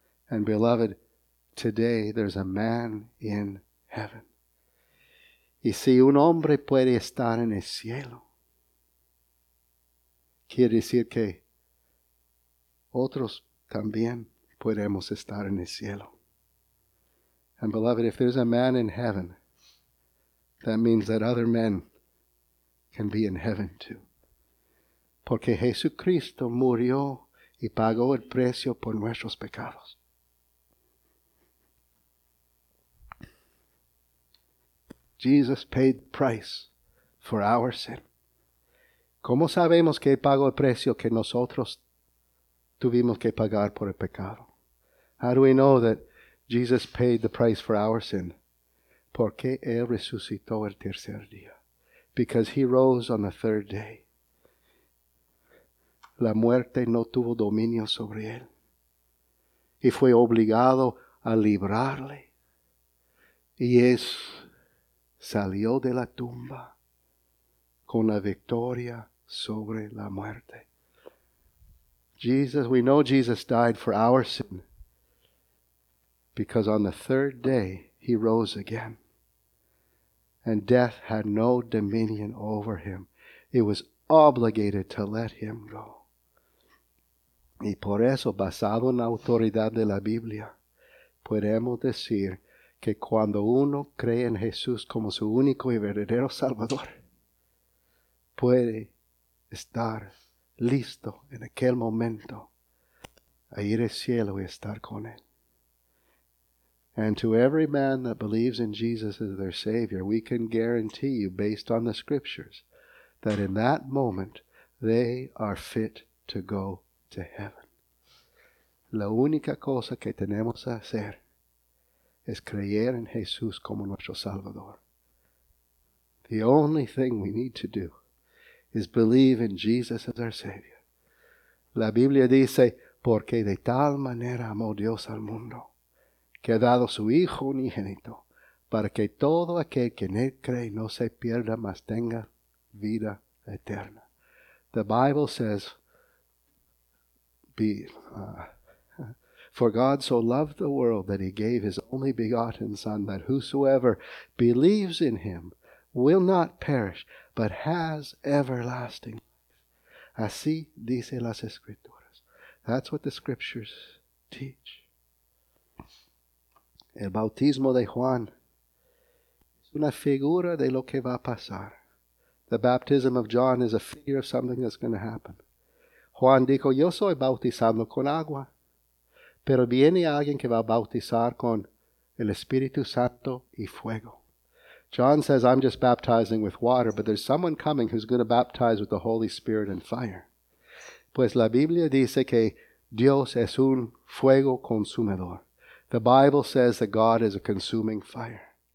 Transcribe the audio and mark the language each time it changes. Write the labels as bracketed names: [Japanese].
[English] And beloved, today there's a man in heaven. [Spanish] Y si un hombre puede estar en el cielo, quiere decir que otros también podemos estar en el cielo. [English] And beloved, if there's a man in heaven, that means that other men can be in heaven too. [Spanish] Porque Jesucristo murió y pagó el precio por nuestros pecados. [English] Jesus paid the price for our sin. [Spanish] ¿Cómo sabemos que pagó el precio que nosotros tuvimos que pagar por el pecado? [English] How do we know that Jesus paid the price for our sin? [Spanish] Porque él resucitó el tercer día. [English] Because he rose on the third day. [Spanish] La muerte no tuvo dominio sobre él. y fue obligado a librarle. Y es salió de la tumba con la victoria sobre la muerte. [English] Jesus, we know Jesus died for our sin because on the third day he rose again. And death had no dominion over him. It was obligated to let him go. [Spanish] Y por eso, basado en la autoridad de la Biblia, podemos decir que cuando uno cree en Jesús como su único y verdadero Salvador, puede estar listo en aquel momento a ir al cielo y estar con él. [English] And to every man that believes in Jesus as their Savior, we can guarantee you, based on the Scriptures, that in that moment, they are fit to go to heaven. [Spanish] La única cosa que tenemos que hacer es creer en Jesús como nuestro Salvador. [English] The only thing we need to do is believe in Jesus as our Savior. [Spanish] La Biblia dice, porque de tal manera amó Dios al mundo, que ha dado su Hijo unigénito, para que todo aquel que en él cree no se pierda, mas tenga vida eterna. [English] The Bible says, for God so loved the world that he gave his only begotten Son, that whosoever believes in him will not perish, but has everlasting life. [Spanish] Así dice las Escrituras. [English] That's what the Scriptures teach. [Spanish] El bautismo de Juan es una figura de lo que va a pasar. [English] The baptism of John is a figure of something that's going to happen. [Spanish] Juan dijo, yo soy bautizando con agua, pero viene alguien que va a bautizar con el Espíritu Santo y fuego. [English] John says, I'm just baptizing with water, but there's someone coming who's going to baptize with the Holy Spirit and fire. [Spanish] Pues la Biblia dice que Dios es un fuego consumidor. [English] The Bible says that God is a consuming fire.